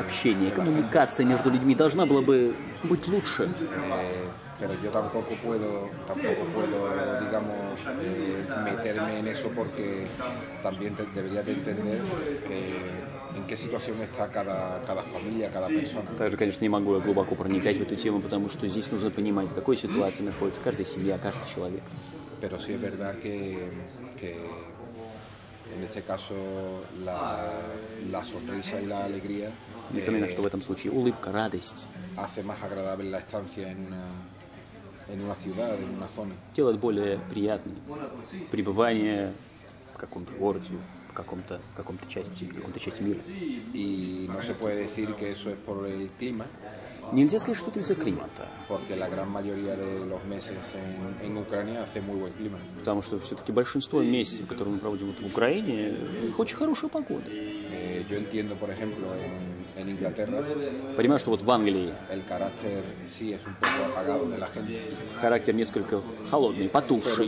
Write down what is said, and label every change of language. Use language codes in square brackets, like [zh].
[ru] Общение, коммуникация между людьми должна была бы быть лучше. [es] Pero yo tampoco puedo, digamos, meterme en eso porque también debería de entender en qué situación está cada familia, cada persona. [ru] Также, конечно, не могу я глубоко проникать в эту тему, потому что здесь нужно понимать, в какой ситуации находится каждая семья, каждый человек. [es] Pero sí es verdad que en este caso la sonrisa y la alegría. [ru] Несомненно, что в этом случае улыбка, радость. [es] Hace más agradable la estancia en una ciudad, en una zona. [ru] Делает более приятным пребывание в каком-то городе, в каком-то части мира. [es] И no se puede decir que eso es por el clima. [ru] Нельзя сказать, что это из-за климата. [es] Porque la gran mayoría de los meses en Ucrania hace muy buen clima. [ru] Потому что все-таки большинство месяцев, которые мы проводим в Украине, очень хорошая погода. [es] Yo entiendo, por ejemplo, en Inglaterra. [ru] Понимаю, что вот в Англии. [es] El carácter sí es un poco apagado de la gente. [ru] Характер несколько холодный, потухший.